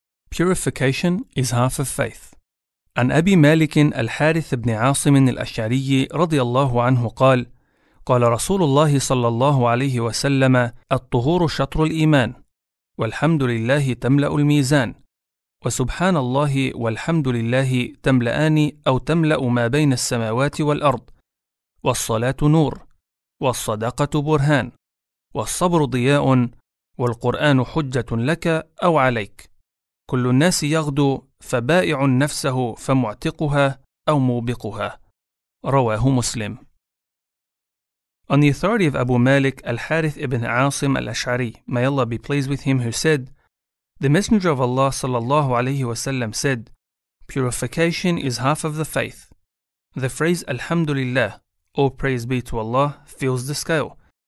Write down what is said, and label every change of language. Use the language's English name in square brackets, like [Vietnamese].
[English] Purification is half of faith. [Arabic] عن أبي مالك الحارث بن عاصم الأشعري رضي الله عنه قال قال رسول الله صلى الله عليه وسلم الطهور شطر الإيمان والحمد لله تملأ الميزان وسبحان الله والحمد لله تملأان أو تملأ ما بين السماوات والأرض والصلاة نور والصدقة برهان والصبر ضياء والقرآن حجة لك أو عليك كل الناس يغدو فبائع نفسه فمعتقها أو موبقها رواه مسلم. [English] On the authority of Abu Malik al-Harith ibn Asim al-Ash'ari, may Allah be pleased with him, who said, the Messenger of Allah sallallahu alayhi wa sallam said, purification is half of the faith. The phrase Alhamdulillah, all praise be to Allah, fills the scale.